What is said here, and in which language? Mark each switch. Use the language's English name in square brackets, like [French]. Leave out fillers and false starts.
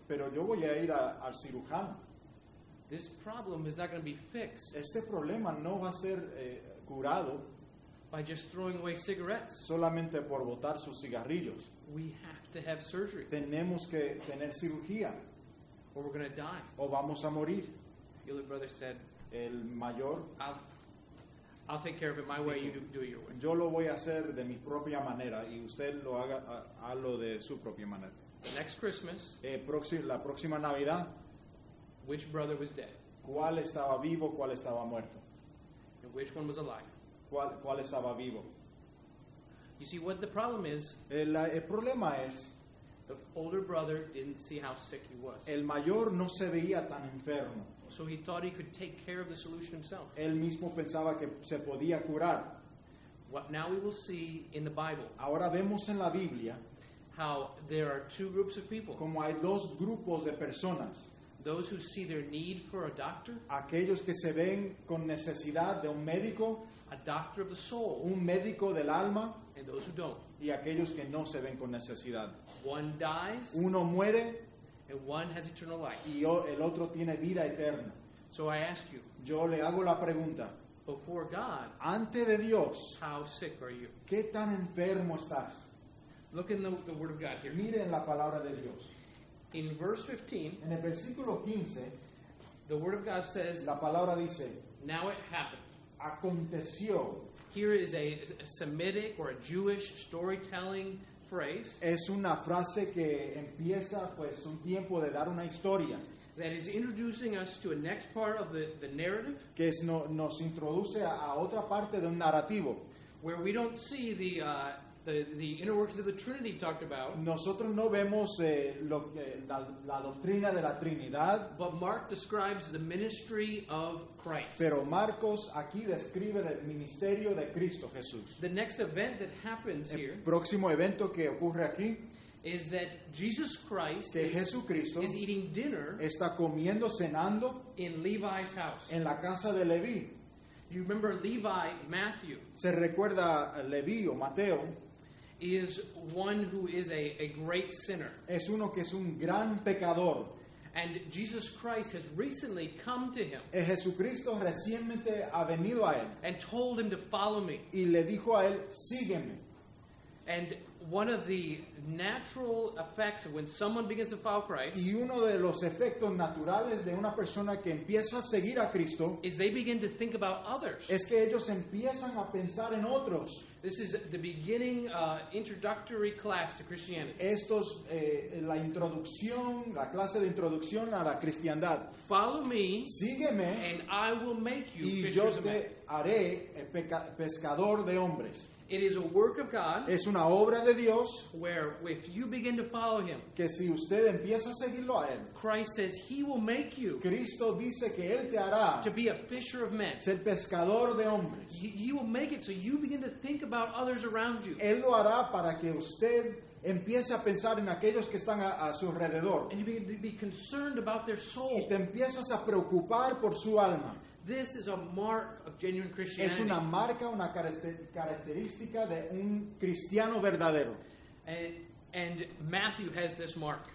[Spanish] Pero yo voy a ir al cirujano. [English] This problem is not going to be fixed. [Spanish] Este problema no va a ser curado. [English] By just throwing away cigarettes. [Spanish] Solamente por botar sus cigarrillos. [English] We have to have surgery. [Spanish] Tenemos que tener cirugía. [English] Or we're going to die. [Spanish] O vamos a morir. [English] The older brother said, [Spanish] el mayor, [English] I'll take care of it my way, you do it your way. [Spanish] Yo lo voy a hacer de mi propia manera y usted lo haga a lo de su propia manera. [English] The next Christmas, [Spanish] la próxima Navidad, [English] which brother was dead? [Spanish] ¿Cuál estaba vivo, cuál estaba muerto? [English] And which one was alive? [Spanish] ¿Cuál estaba vivo? [English] You see what the problem is? [Spanish] El problema es, [English] the older brother didn't see how sick he was. [Spanish] El mayor no se veía tan enfermo. [English] So he thought he could take care of the solution himself. [Spanish] Él mismo pensaba que se podía curar. [English] What now we will see in the Bible. [Spanish] Ahora vemos en la Biblia [English] how there are two groups of people. [Spanish] Como hay dos grupos de personas. [English] Those who see their need for a doctor. [Spanish] Aquellos que se ven con necesidad de un médico. [English] A doctor of the soul. [Spanish] Un médico del alma. [English] And those who don't. [Spanish] Y aquellos que no se ven con necesidad. [English] One dies. [Spanish] Uno muere. [English] And one has eternal life. [Spanish] Y el otro tiene vida eterna. [English] So I ask you. [Spanish] Yo le hago la pregunta. [English] Before God. [Spanish] Ante de Dios. [English] How sick are you? [Spanish] ¿Qué tan enfermo estás? [English] Look in the word of God here. [Spanish] Mire en la palabra de Dios. [English] In verse 15, [Spanish] en el versículo 15, [English] the word of God says, [Spanish] la palabra dice, [English] now it happened. [Spanish] Aconteció. [English] Here is a Semitic or a Jewish storytelling phrase. [Spanish] Es una frase que empieza pues un tiempo de dar una historia. [English] That is introducing us to a next part of the narrative. [Spanish] Que es no, nos introduce a otra parte de un narrativo. [English] Where we don't see the inner workings of the Trinity talked about. [Spanish] Nosotros no vemos la doctrina de la Trinidad. [English] But Mark describes the ministry of Christ. [Spanish] Pero Marcos aquí describe el ministerio de Cristo Jesús. [English] The next event that happens [Spanish] el [English] here. [Spanish] Próximo evento que ocurre aquí. [English] Is that Jesus Christ. [Spanish] Que Jesucristo. [English] Is eating dinner. [Spanish] Está comiendo, cenando. [English] In Levi's house. [Spanish] En la casa de Leví. [English] You remember Levi, Matthew. [Spanish] Se recuerda Leví o Mateo. [English] Is one who is a great sinner. [Spanish] Es uno que es un gran pecador. [English] And Jesus Christ has recently come to him. [Spanish] Y Jesucristo recientemente ha venido a él. [English] And told him to follow me. [Spanish] Y le dijo a él, sígueme. [English] And one of the natural effects of when someone begins to follow Christ. [Spanish] Y uno de los efectos naturales de una persona que empieza a seguir a Cristo. [English] Is they begin to think about others. [Spanish] Es que ellos empiezan a pensar en otros. [English] This is the beginning introductory class to Christianity. [Spanish] Esto es la introducción, la clase de introducción a la cristiandad. [English] Follow me. [Spanish] Sígueme. [English] And I will make you fishers of men. [Spanish] Y yo te haré pescador de hombres. [English] It is a work of God. [Spanish] Es una obra de Dios. [English] Where if you begin to follow him. [Spanish] Que si usted empieza a seguirlo a él. [English] Christ says he will make you. [Spanish] Cristo dice que él te hará. [English] To be a fisher of men. [Spanish] Ser pescador de hombres. [English] He will make it so you begin to think about others around you. [Spanish] Él lo hará para que usted empiece a pensar en aquellos que están a su alrededor. [English] And you begin to be concerned about their soul. [Spanish] Y te empiezas a preocupar por su alma. [English] This is a mark of genuine Christianity. [Spanish] Es una marca, una característica de un cristiano verdadero. [English] And Matthew has this mark.